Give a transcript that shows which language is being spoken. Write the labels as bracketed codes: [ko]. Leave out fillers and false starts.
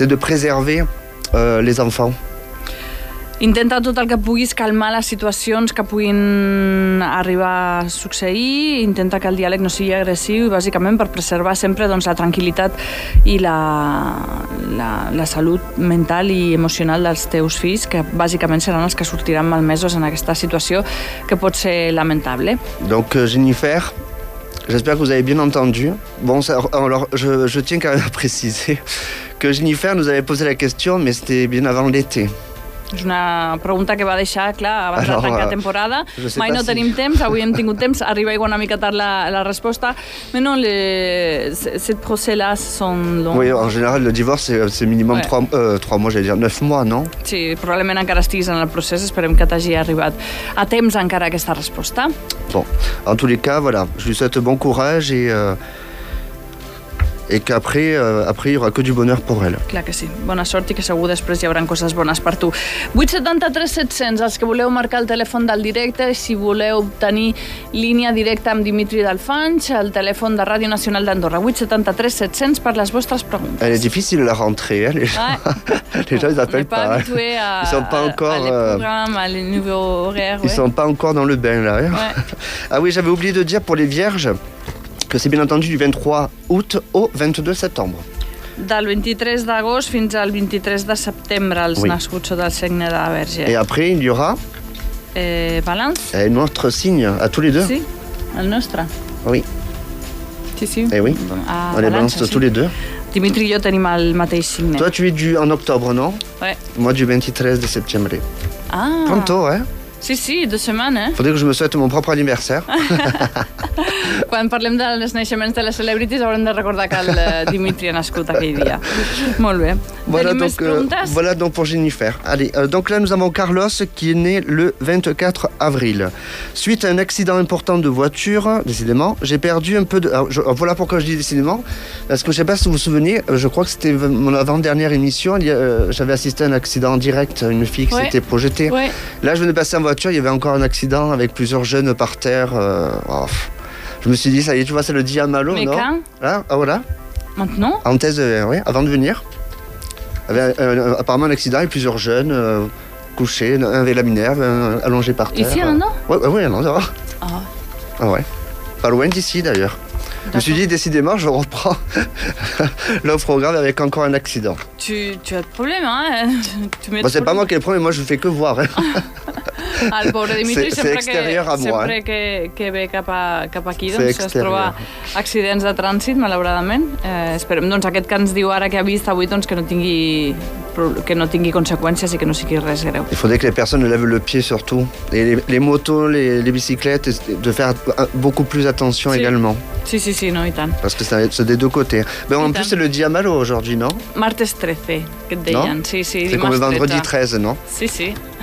[fr] C'est de préserver les enfants. [ca] Intenta tot el que puguis calmar les situacions que puguin arribar a succeir, intenta que el diàleg no sigui agressiu i bàsicament per preservar sempre doncs, la tranquil·litat i la salut mental i emocional dels teus fills, que bàsicament seran els que sortiran malmesos en aquesta situació que pot ser lamentable. [fr] Donc Jennifer, j'espère que vous avez bien entendu. Bon, alors je tiens quand même à préciser que Jennifer nous avait posé la question, mais c'était bien avant l'été. [ca] És una pregunta que va deixar, clar, abans de tancar temporada. Mai no si. Tenim temps, avui hem tingut temps, arriba igual una mica tard la resposta. [fr] Mais non, ces procès-là sont longs. Oui, en général, le divorce, c'est minimum 3 mois, j'allais dire 9 mois, non? [ca] Sí, probablement encara estiguis en el procés, esperem que t'hagi arribat a temps encara aquesta resposta. [fr] Bon, en tous les cas, voilà, je lui souhaite bon courage et... Et qu'après, après, il n'y aura que du bonheur pour elle. [ca] Clar que sí. Bona sort i que segur després hi haurà coses bones per tu. 873-700, els que voleu marcar el telèfon del directe, si voleu tenir línia directa amb Dimitri Dalfanch, el telèfon de Ràdio Nacional d'Andorra. 873-700 per les vostres preguntes. [fr] Elle est difficile la rentrée, hein? Les gens, ils n'appellent pas. Pas habitués ils sont pas encore, à les programmes, à les nouveaux horaires. Ils ne sont pas encore dans le bain, là. Hein? Ouais. Ah oui, j'avais oublié de dire pour les vierges, que c'est bien entendu du 23 août au 22 septembre. [ca] Del 23 d'agost fins al 23 de septembre, els [fr] oui. [ca] Nascuts sota el signe de la Verge. [fr] Et après, il y aura... Balance. Un autre signe, à tous les deux. [ca] Sí, el nostre. [fr] Oui. [ca] Sí, sí. [fr] Et oui, on est balance [ca] sí. [fr] Tous les deux. [ca] Dimitri i jo tenim el mateix signe. [fr] Toi, tu es du en octobre, non? Ouais. Moi, du 23 de septembre. Ah. [es] Pronto, hein? [ca] Sí, sí, [fr] deux semaines. Hein? Faudrait que je me souhaite mon propre anniversaire. [ca] Quan parlem dels naixements de les celebrities haurem de recordar que el Dimitri ha nascut aquell dia. Molt bé. [fr] Voilà, donc, voilà donc pour Jennifer. Allez, donc là nous avons Carlos qui est né le 24 avril. Suite à un accident important de voiture, décidément, j'ai perdu un peu de... voilà pourquoi je dis décidément, parce que je ne sais pas si vous vous souvenez, je crois que c'était mon avant-dernière émission, j'avais assisté à un accident direct, une fille qui s'était projetée. Ouais. Là je venais de passer en voiture, il y avait encore un accident avec plusieurs jeunes par terre. Je me suis dit, ça y est, tu vois, c'est le [es] dia malo, [fr] mais non quand? Là, voilà. Maintenant? En thèse, oui, avant de venir. Il y avait apparemment un accident avec plusieurs jeunes couchés, un avec la minerve, un allongé par terre. Ici, non? Oui, non, ça va. Ah. Ah ouais. Pas loin d'ici, d'ailleurs. D'accord. Je me suis dit, décidément, je reprends le programme avec encore un accident. Tu as de problème, hein? Bon, c'est pas moi qui ai le problème, moi, je fais que voir. Hein. [ca] El pobre Dimitri [fr] c'est extérieur que, à moi. [ca] Sempre que ve cap aquí, doncs, es troba accidents de trànsit, malauradament. Esperem, doncs, aquest que ens diu ara que ha vist avui, doncs, que no tingui conseqüències i que no sigui res greu. [fr] Il faudrait que les personnes lèvent le pied, surtout. Les motos, les bicyclettes, de faire beaucoup plus attention [ca] sí. [fr] également. [ca] Sí, sí, sí, no, i tant. [fr] Parce que c'est des deux côtés. Mais en plus, c'est le [es] dia malo [fr] aujourd'hui, non? [ca] Martes 13, que et deien. [fr] Non? [ca] Sí, sí, [fr] c'est comme vendredi 13, non? [ca] Sí, sí.